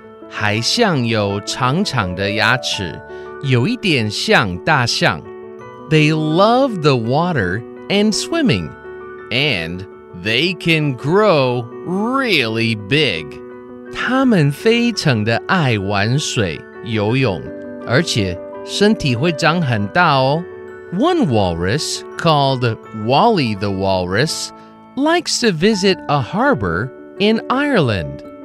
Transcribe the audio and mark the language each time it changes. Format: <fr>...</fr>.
<zh>海象有长长的牙齿，有一点像大象.</zh> <en>They love the water and swimming, and they can grow really big.</en> <zh>他们非常的爱玩水、游泳，而且身体会长很大哦。</zh> <en>One walrus, called Wally the Walrus, likes to visit a harbor in Ireland.</en>